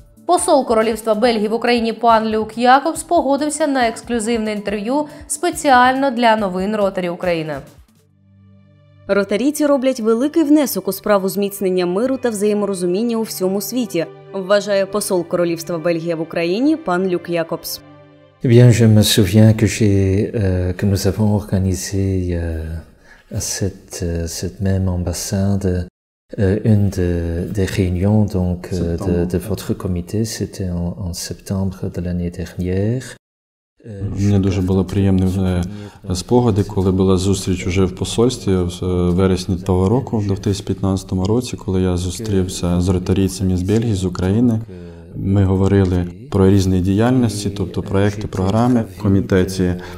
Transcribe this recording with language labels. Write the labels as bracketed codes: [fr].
[uk] Посол Королівства Бельгії в Україні пан Люк Якобс погодився на ексклюзивне інтерв'ю спеціально для новин Rotary України. Ротарійці роблять великий внесок у справу зміцнення миру та взаєморозуміння у всьому світі, вважає посол Королівства Бельгія в Україні пан Люк Якобс. [fr] Bien, je me souviens que que nous avons organisé à cette même ambassade une des réunions donc de votre comité, c'était en septembre de l'année dernière. [uk] Мені дуже були приємні спогади, коли була зустріч уже в посольстві в вересні того року, в 2015 році, коли я зустрівся з ротарійцями з Бельгії, з України. Ми говорили про різні діяльності, тобто проєкти, програми в комітеті.